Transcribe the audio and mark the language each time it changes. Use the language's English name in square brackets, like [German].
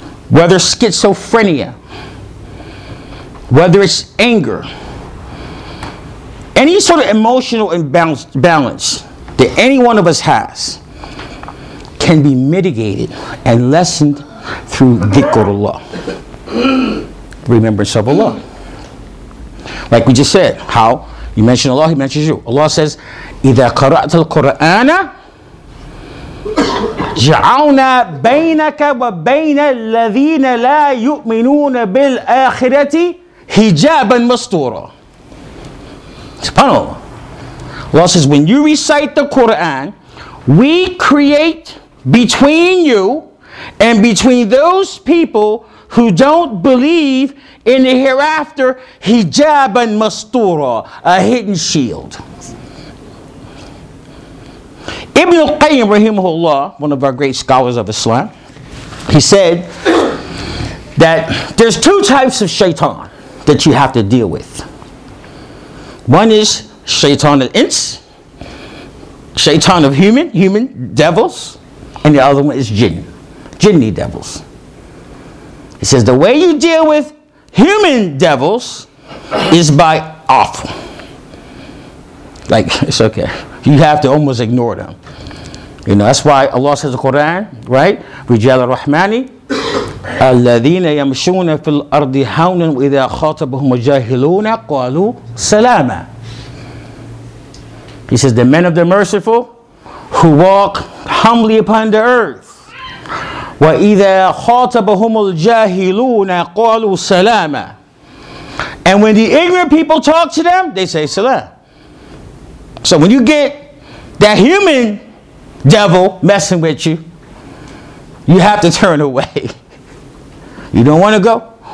[English] whether it's schizophrenia, whether it's anger, any sort of emotional imbalance, that any one of us has, can be mitigated and lessened through dhikrullah. remembrance of Allah. Like we just said, how you mention Allah, He mentions you. Allah says, [Arabic] "إذا قرأت القرآن جعلنا بينك وبين الذين لا يؤمنون بالآخرة حجابا مستورا." [English] SubhanAllah. Allah says, when you recite the Quran, we create between you and between those people who don't believe in the hereafter, hijab and mastura, a hidden shield. Ibn al-Qayyim, rahimahullah, one of our great scholars of Islam, he said that there's two types of shaitan that you have to deal with. One is shaitan al-ins, shaitan of human devils, and the other one is jinni devils. He says the way you deal with human devils is by off. Like, it's okay. You have to almost ignore them. You know, that's why Allah says in the Quran, right? [Arabic] Rijal al-Rahmani, الَّذِينَ يَمْشُونَ فِي الْأَرْضِ هَوْنًا وَإِذَا خَاطَبُهُمْ وَجَاهِلُونَ قَالُوا سَلَامًا. [English] He says, the men of the merciful who walk humbly upon the earth. [Arabic] وَإِذَا خَاطَبُهُمُ الْجَاهِلُونَ قَالُوا سَلَامًا. [English] And when the ignorant people talk to them, they say salam. So when you get that human devil messing with you, you have to turn away. You don't want to go.